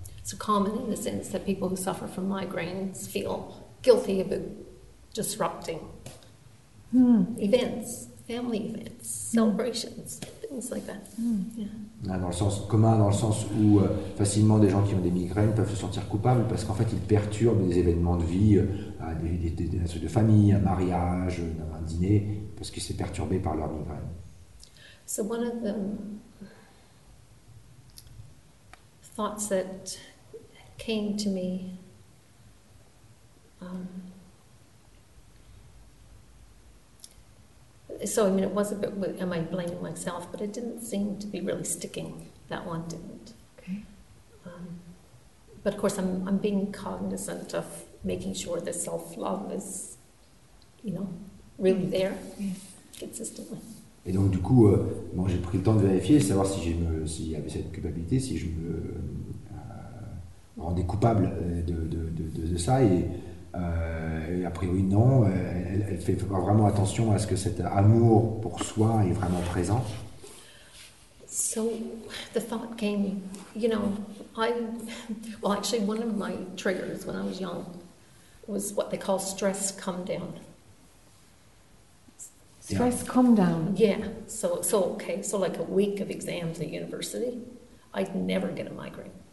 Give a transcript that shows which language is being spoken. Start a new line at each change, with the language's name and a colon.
English: It's common in the sense that people who suffer from migraines feel guilty about disrupting events, family events, celebrations, things like that. Mm.
French: Yeah. Dans le sens commun, dans le sens où facilement des gens qui ont des migraines peuvent se sentir coupables parce qu'en fait ils perturbent des événements de vie, des trucs de famille, un mariage, un dîner, parce que c'est perturbé par leur migraine.
English: So one of the thoughts that came to me it was a bit, am I blaming myself, but it didn't seem to be really sticking, that one didn't. Okay. But of course, I'm being cognizant of making sure the self-love is, you know, really there consistently.
French: Et donc, du coup, bon, j'ai pris le temps de vérifier, savoir si s'il y avait cette culpabilité, si je me rendais coupable de ça. Et a priori, non. Elle fait vraiment attention à ce que cet amour pour soi est vraiment présent.
English: So, the thought came, you know, actually, one of my triggers when I was young was what they call stress come down. Stress come down. Yeah. So okay. So like a week of exams at university, I'd never get a migraine.